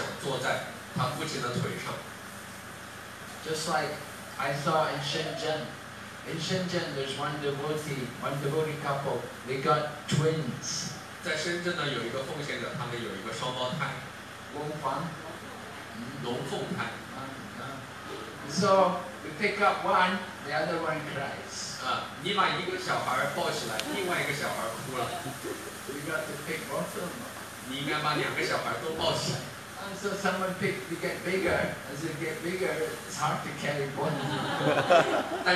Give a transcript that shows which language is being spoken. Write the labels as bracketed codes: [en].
[zh] 所以呢，对于这个故事来讲，这个朱瓦马哈拉仅仅只是想坐在他父亲的腿上。 [en] Just like I saw in Shenzhen. In Shenzhen, there's one devotee couple, they got twins. [zh] 在深圳呢，有一个奉献者，他们有一个双胞胎。龙凤? 龙凤胎。 [en] So, you pick up one, the other one cries. [zh] 你把一个小孩抱起来，另外一个小孩哭了。 [en] You got to pick both of them. [zh] 你应该把两个小孩都抱起来。 [en] And so someone picked to get bigger. As it get bigger, it's hard to carry one.